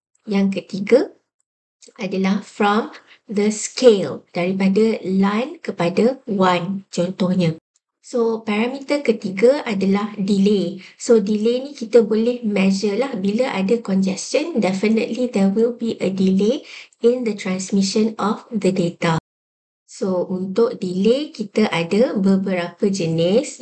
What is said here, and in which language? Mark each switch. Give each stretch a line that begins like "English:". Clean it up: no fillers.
Malay: Yang ketiga adalah
English: from the scale,
Malay: daripada LAN kepada WAN contohnya. So, parameter ketiga adalah delay. So, delay ni kita boleh measure lah. Bila ada congestion,
English: definitely there will be a delay in the transmission of the data.
Malay: So, untuk delay, kita ada beberapa jenis.